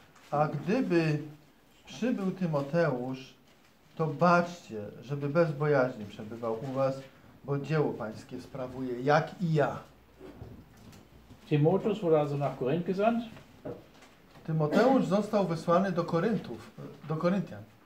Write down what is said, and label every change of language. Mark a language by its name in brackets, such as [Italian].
[Polish] A gdyby przybył Tymoteusz, to baczcie, żeby bez bojaźni przebywał u was, bo dzieło pańskie sprawuje, jak i ja. [German] Timotheus wurde also nach Korinth gesandt. [Polish] Tymoteusz został wysłany do Koryntów, do Koryntian.